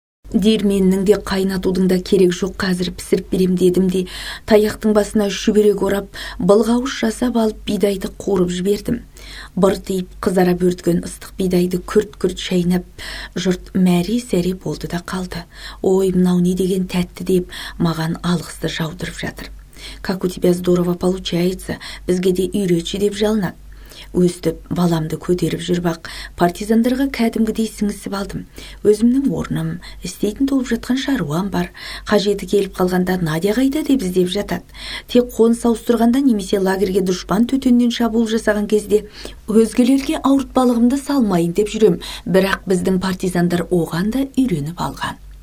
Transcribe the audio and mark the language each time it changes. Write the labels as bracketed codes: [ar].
[kk] Дерменнің де қайнатудың да керек жоқ, қазір пісіріп берем дедім де, таяқтың басына шүберек орап, былғауыш жасап алып бидайды қорып жібердім. Бұртиып қызара бөрткен ыстық бидайды күрт-күрт шайнап, жұрт мәре сәре болды да қалды. Ой, мынау не деген тәтті деп, маған алғысты жаудырып жатыр. [ru] Как у тебя здорово получается, [kk] бізге де үйретші деп жалынады. Өстіп, баламды көтеріп жүрбақ, партизандарға кәдімгідей сіңісіп алдым. Өзімнің орным, істейтін толып жатқан шаруам бар. Қажеті келіп қалғанда, Надя қайда деп іздеп жатады. Тек қоныс ауыстырғанда немесе лагерге дұшпан төтеннен шабуыл жасаған кезде, өзгелерге ауыртпалығымды салмайын деп жүрем, бірақ біздің партизандар оған да үйреніп алған.